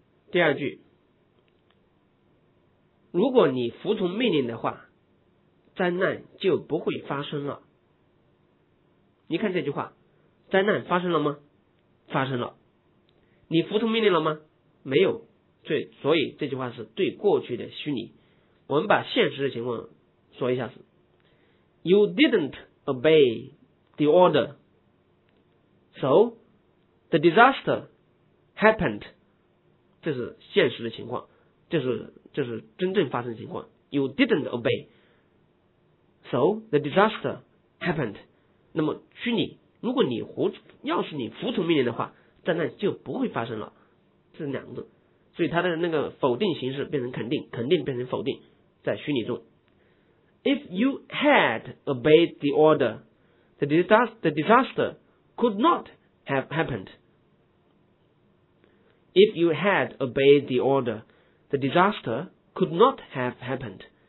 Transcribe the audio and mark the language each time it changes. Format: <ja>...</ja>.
<zh>第二句，如果你服从命令的话，灾难就不会发生了。你看这句话，灾难发生了吗？发生了。你服从命令了吗？没有。所以这句话是对过去的虚拟。我们把现实的情况说一下子。</zh> <en>You didn't obey the order, so the disaster happened.</en> <zh>这是现实的情况，这是真正发生的情况。</zh> <en>You didn't obey, so the disaster happened.</en> <zh>那么虚拟，如果你服从命令的话，灾难就不会发生了。这是两个，所以它的那个否定形式变成肯定，肯定变成否定，在虚拟中。</zh> <en>If you had obeyed the order, the disaster could not have happened. If you had obeyed the order, the disaster could not have happened.</en>